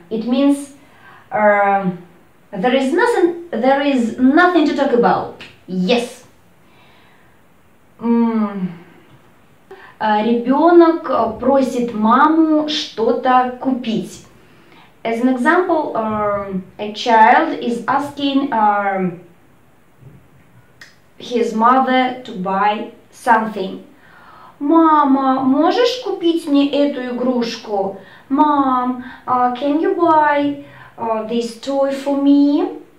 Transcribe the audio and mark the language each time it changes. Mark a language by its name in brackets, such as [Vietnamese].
[English] It means there is nothing to talk about. Yes. [Russian] Ребенок просит маму что-то купить. [English] As an example, a child is asking his mother to buy something. [Russian] Мама, можешь купить мне эту игрушку? [English] Mom, can you buy this toy for me?